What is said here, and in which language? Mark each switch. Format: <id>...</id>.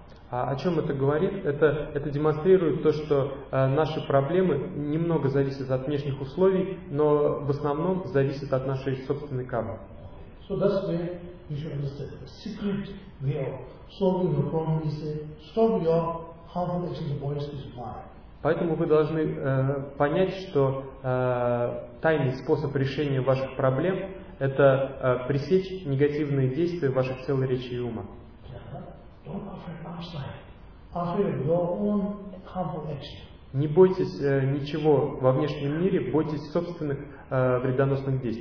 <ru>О чем это говорит? Это демонстрирует то, что наши проблемы немного зависят от внешних условий, но в основном зависят от нашей собственной кармы.</ru> <en>So that's why you should understand the secret way of solving your problem is stop your harmful action voice is mine.</en> <ru>Поэтому вы должны понять, что тайный способ решения ваших проблем – это пресечь негативные действия ваших тел, речи и ума. Не бойтесь ничего во внешнем мире, бойтесь собственных вредоносных</ru>